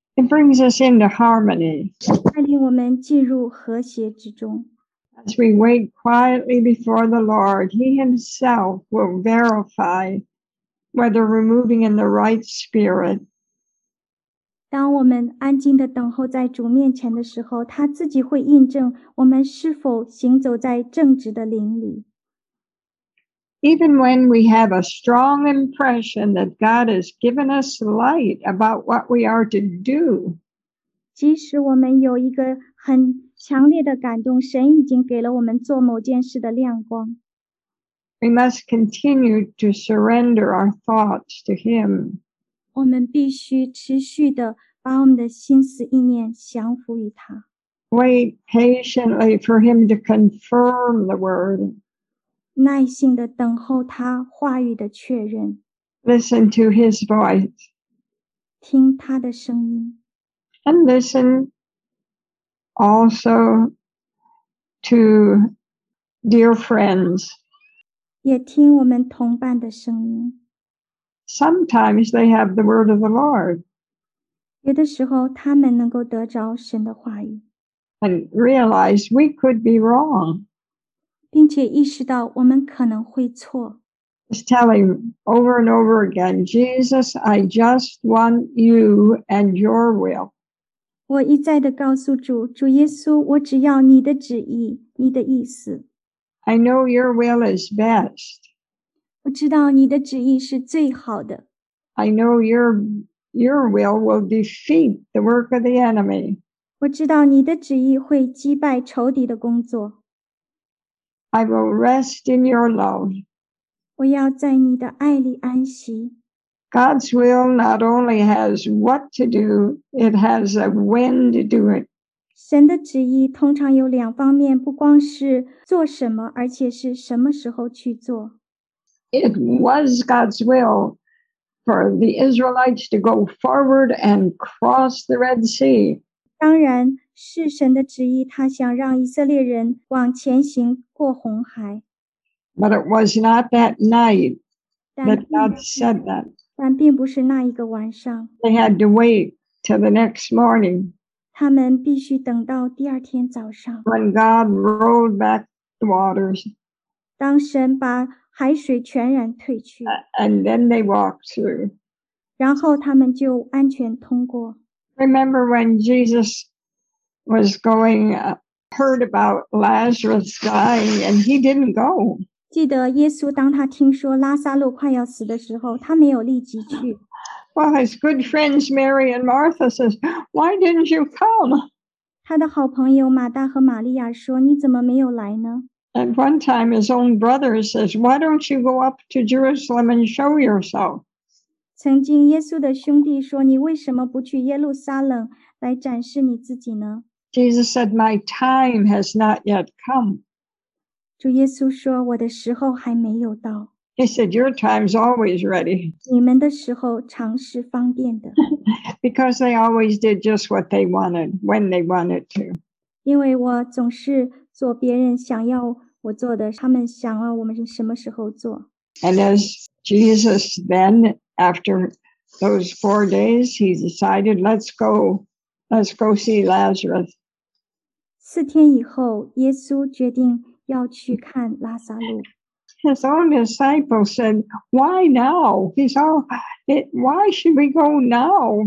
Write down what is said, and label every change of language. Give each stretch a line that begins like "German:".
English: It brings us into harmony.
Chinese: 带领我们进入和谐之中。
English: As we wait quietly before the Lord, He Himself will verify whether we're moving in the right spirit.
Chinese: 当我们安静地等候在主面前的时候，他自己会印证我们是否行走在正直的灵里。
English: Even when we have a strong impression that God has given us light about what we are to do.
Chinese: 即使我们有一个很强烈的感动，神已经给了我们做某件事的亮光。
English: We must continue to surrender our thoughts to Him.
Chinese: 我们必须持续地把我们的心思意念降服于他。
English: Wait patiently for Him to confirm the word.
Chinese: 耐心地等候他话语的确认。
English: Listen to his voice.
Chinese: 听他的声音。
English: And listen also to dear friends.
Chinese: 也听我们同伴的声音。
English: Sometimes they have the word of the Lord.
Chinese: 有的时候他们能够得着神的话语。
English: And realize we could be wrong.
Chinese: 并且意识到我们可能会错。
English: Just tell him over and over again, Jesus, I just want you and your will.
Chinese: 我一再地告诉主，主耶稣，我只要你的旨意，你的意思。
English: I know your will is best.
Chinese: 我知道你的旨意是最好的。
English: I know your will will defeat the work of the enemy.
Chinese: 我知道你的旨意会击败仇敌的工作。
English: I will rest in your love.
Chinese: 我要在你的爱里安息。
English: God's will not only has what to do, it has a when to do it.
Chinese: 神的旨意通常有两方面，不光是做什么，而且是什么时候去做。
English: It was God's will for the Israelites to go forward and cross the Red Sea.
Chinese: 当然是神的旨意，他想让以色列人往前行过红海。
English: But it was not that night that God said that.
Chinese: 但并不是那一个晚上。
English: They had to wait till the next morning.
Chinese: 他们必须等到第二天早上。
English: When God rolled back the waters.
Chinese: 当神把海水全然退去。
English: And then they walked through.
Chinese: 然后他们就安全通过。
English: Remember when Jesus was going, heard about Lazarus dying, and he didn't go.
Chinese: 记得耶稣当他听说拉撒路快要死的时候，他没有立即去。
English: Well, his good friends Mary and Martha says, "Why didn't you come?"
Chinese: 他的好朋友马大和玛利亚说，你怎么没有来呢？
English: And one time his own brother says, why don't you go up to Jerusalem and show yourself?
Chinese: 曾经耶稣的兄弟说，你为什么不去耶路撒冷来展示你自己呢？
English: Jesus said, my time has not yet come.
Chinese: 主耶稣说，我的时候还没有到。
English: He said, your time's always ready.
Chinese: 你们的时候常是方便的。
English: Because they always did just what they wanted, when they wanted to.
Chinese: 因为我总是做别人想要我做的，他们想要我们什么时候做。
English: And as Jesus then, after those 4 days, he decided, let's go see Lazarus.
Chinese: 4天以后，耶稣决定要去看拉撒路。
English: His own disciples said, why now? He said, why should we go now?